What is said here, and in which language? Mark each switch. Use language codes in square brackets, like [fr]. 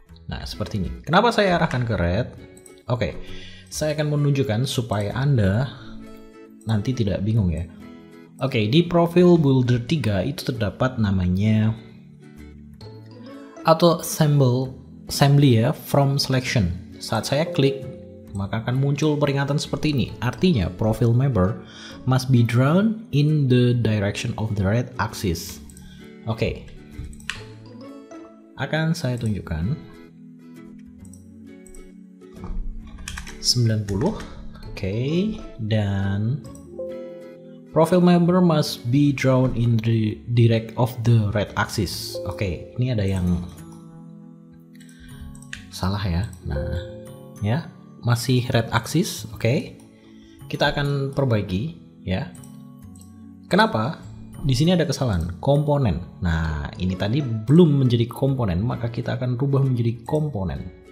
[id] Nah, seperti ini. Kenapa saya arahkan ke red? Oke. Saya akan menunjukkan supaya Anda nanti tidak bingung ya. Oke, di profil builder 3 itu terdapat namanya auto assembly ya, from selection. Saat saya klik, maka akan muncul peringatan seperti ini. Artinya, [en] profile member must be drawn in the direction of the red axis. Oke. [id] Akan saya tunjukkan 90. Oke, dan [en] profile member must be drawn in the direct of the red axis. [id] Oke, ini ada yang salah ya. Nah, ya, masih red axis, oke. Kita akan perbaiki, ya. Kenapa? Di sini ada kesalahan, komponen. Nah, ini tadi belum menjadi komponen, maka kita akan rubah menjadi komponen.